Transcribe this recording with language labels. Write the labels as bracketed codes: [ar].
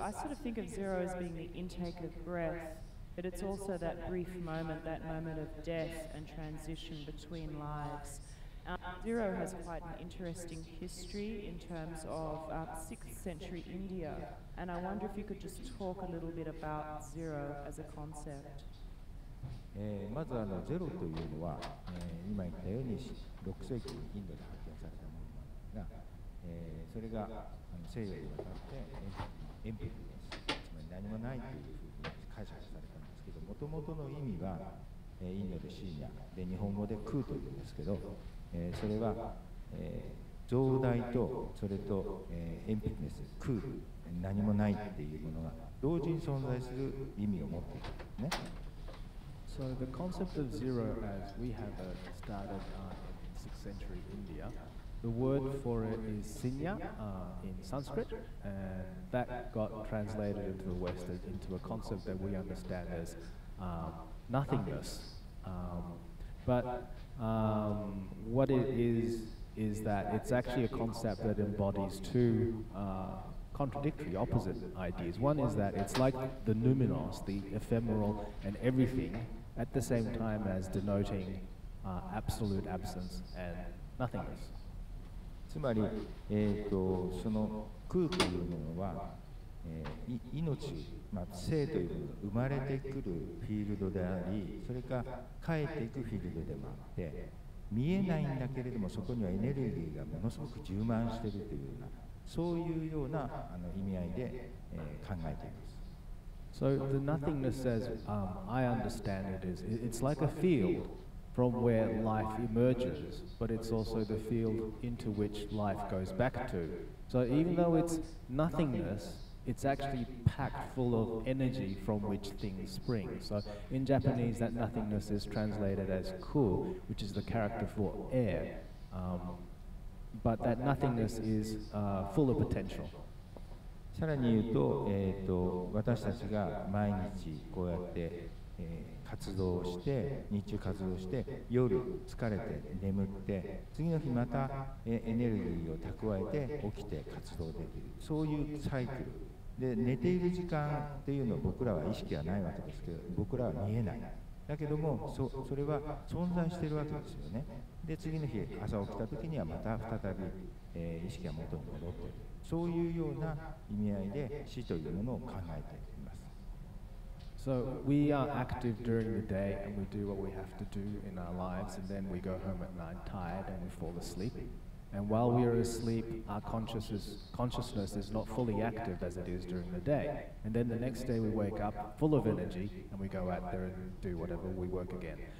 [en] I sort of think of zero as being the intake of breath, but it's also that brief moment, that moment of death and transition between lives. Zero has quite an interesting history in terms of 6th century India, and I wonder if you could just talk a little bit about zero as a concept. [ja] まずゼロというのは、今言ったように6世紀インドで発見されたものなんですが、それが西洋に渡ってエンプティネス、つまり何もないというふうに解釈されたんですけど、もともとの意味は、インドでシーニャで日本語で空というんですけど、それは、増大とそれと、エンプティネス、空、何もないというものが同時に存在する意味を持っているんですね。 [en] So the concept of zero as we have it started in 6th century India, the word for it is sinya in Sanskrit, and that got translated into the West into a concept that we understand as nothingness. But what it is that it's actually a concept that embodies two contradictory, opposite ideas. One is that it's like the numinous, the ephemeral and everything, at the same time as denoting absolute absence and nothingness. [ja] つまり、その空というものは、命、まあ、生というものが生まれてくるフィールドであり、それか帰っていくフィールドでもあって、見えないんだけれども、そこにはエネルギーがものすごく充満しているというような、そういうような意味合いで、考えています。 [en] So the nothingness, as I understand it, is it's like a field from where life emerges, but it's also the field into which life goes back to. So even though it's nothingness, it's actually packed full of energy from which things spring. So in Japanese, that nothingness is translated as ku, which is the character for air. But that nothingness is full of potential. [ja] さらに言うと、私たちが毎日こうやって、活動をして、日中活動をして、夜疲れて眠って、次の日また、エネルギーを蓄えて起きて活動できる、そういうサイクル。で、寝ている時間っていうのは僕らは意識はないわけですけど、僕らは見えない。だけども、それは存在しているわけですよね。で、次の日朝起きた時にはまた再び、意識は元に戻っている。そういうような意味合いで死というものを考えています。 [en] So we are active during the day and we do what we have to do in our lives and then we go home at night tired and we fall asleep. And while we are asleep, our consciousness is not fully active as it is during the day. And then the next day we wake up full of energy and we go out there and do whatever we work again.